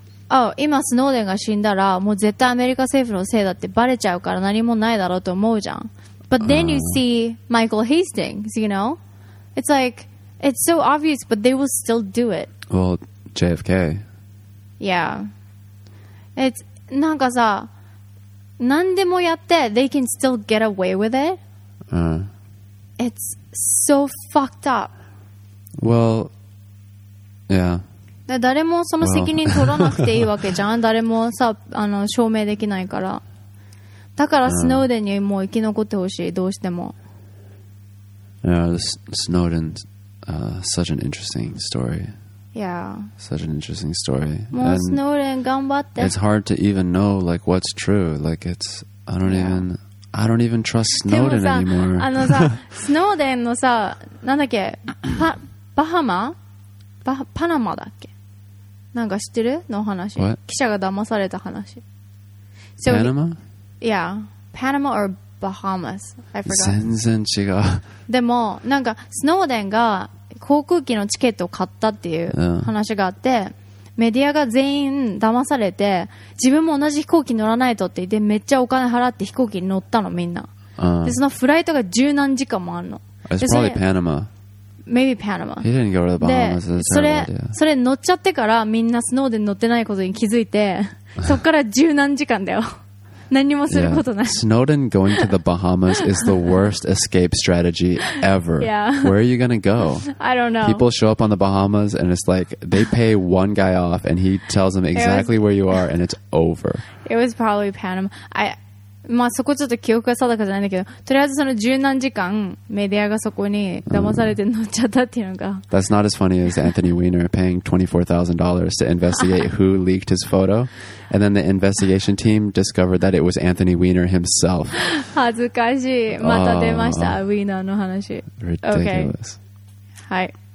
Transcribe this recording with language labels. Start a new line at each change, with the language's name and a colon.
Japanese: Oh, 今スノーデンが死んだら、もう絶対アメリカ政府のせいだってバレちゃうから何もないだろうと思うじゃん。
English: But then you see Michael Hastings, you know? It's like, it's so obvious, but they will still do it. Well, JFK. Yeah. It's,
Japanese: なんかさ、何でもやって、
English: they can still get away with it. It's so fucked up. Well, yeah.
Japanese: 誰もその責任取らなくていいわけじゃん。誰もさ、証明できないから。だからスノーデンにもう生き残ってほしい、どうしても。
English: Yeah, Snowden, such an interesting story. Yeah. Such an interesting story.
Japanese: もうスノーデン頑張って。
English: It's hard to even know, like, what's true. Like, I don't even trust Snowden anymore.
Japanese: スノーデンのさ、なんだっけ、バハマ? パナマだっけ?なんか知ってる?の話。
English: What?
Japanese: 記者が騙された話。 So、パナマ?
English: Yeah. パナマ or Bahamas. I forgot.
Japanese: 全然違う。でも、なんかスノーデンが航空機のチケットを買ったっていう話があって、メディアが全員騙されて、自分も同じ飛行機乗らないとって言って、めっちゃお金払って飛行機に乗ったの、みんな。で、そのフライトが十何時間もあるの。
English: It's probably Panama. Maybe Panama. He didn't go to the Bahamas. That's a terrible idea.
Japanese: それ乗っちゃってから、みんなスノーで乗ってないことに気づいて、そっから十何時間だよ。何もすることない。
English: Yeah. Snowden going to the Bahamas is the worst escape strategy ever. Yeah. Where are you going to go? I don't know. People show up on the Bahamas and it's like they pay one guy off and he tells them exactly where you are and it's over. It was probably Panama.
Japanese: I, まあそこちょっと記憶が定かじゃないんだけど、とりあえずその十何時間メディアがそこに騙されて乗っちゃったっていうのが。
English: That's not as funny as Anthony Weiner paying $24,000 to investigate who leaked his photo. And then the investigation team discovered that it was Anthony Weiner himself.
Japanese: 恥ずかしい。また出ました。ウィーナーの話。
English: Ridiculous. Okay. はい。